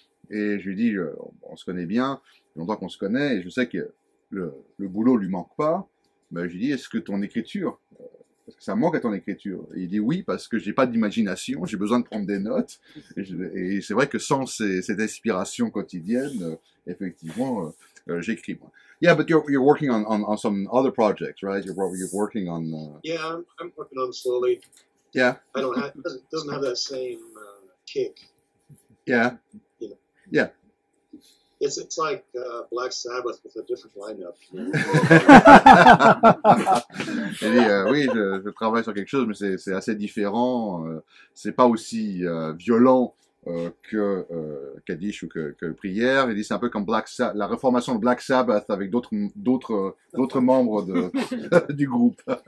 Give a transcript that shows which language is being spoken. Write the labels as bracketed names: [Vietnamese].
[French] Et je lui dis, on se connaît bien, il y a longtemps qu'on se connaît, et je sais que le boulot lui manque pas. Mais je lui dis, est-ce que ton écriture, est-ce que ça manque à ton écriture? Et il dit oui, parce que j'ai pas d'imagination, j'ai besoin de prendre des notes. Et c'est vrai que sans cette inspiration quotidienne, effectivement, j'écris moins. [English] Yeah, but you're working on some other projects, right? You're working on. I'm working on slowly. Yeah. It doesn't have that same kick. Yeah. Yeah, it's like Black Sabbath with a different lineup. [French] Et oui, je travaille sur quelque chose, mais c'est assez différent. C'est pas aussi violent que Kaddish ou que Prière. Il dit c'est un peu comme la reformation de Black Sabbath avec d'autres membres du groupe.